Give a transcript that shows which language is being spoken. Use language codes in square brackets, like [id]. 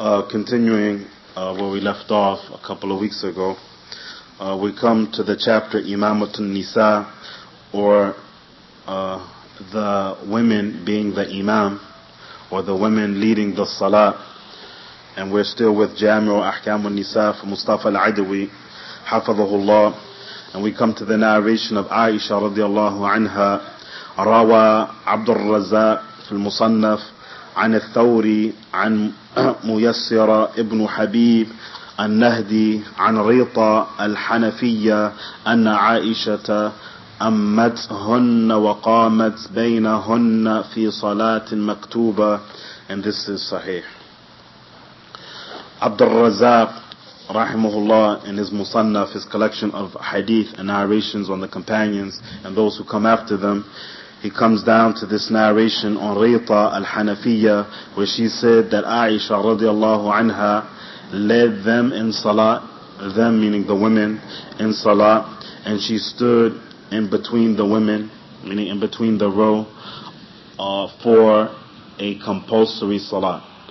[en] Continuing where we left off a couple of weeks ago, we come to the chapter Imamatun Nisa, or the women being the imam, or the women leading the salah. And we're still with Jami'u Ahkamun Nisa from Mustafa Al-Adawi, [ar] حفظه الله. [en] And we come to the narration of Aisha [ar] رضي الله عنها. روى عبد الرزاق في المصنف عن الثوري عن ميسر ابن حبيب النهدي عن ريطة الحنفية أن عائشة أمتهن وقامت بينهن في صلاة مكتوبة. [en] And this is [ar] صحيح. [en] عبد الرزاق Rahimahullah, in his Musannaf, his collection of hadith and narrations on the companions and those who come after them, he comes down to this narration on Rita al-Hanafiyya, where she said that Aisha radiallahu anha led them in salah, them meaning the women, in salah, and she stood in between the women, meaning in between the row, for a compulsory salah.